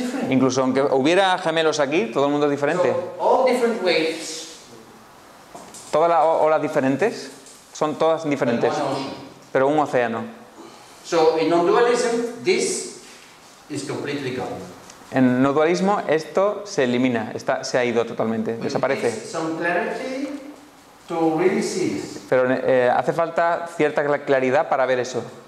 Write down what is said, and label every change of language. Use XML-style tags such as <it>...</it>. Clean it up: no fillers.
<es>Incluso aunque hubiera gemelos aquí, todo el mundo es diferente.</es> <en>So, all different waves.</en> <es>Todas las olas diferentes son todas diferentes, pero un océano.</es> <en>So, in non-dualism, this is completely gone.</en> <es>En no dualismo esto se elimina, se ha ido totalmente, desaparece.</es> <en>It to really see this.</en> <es>Pero hace falta cierta claridad para ver eso.</es>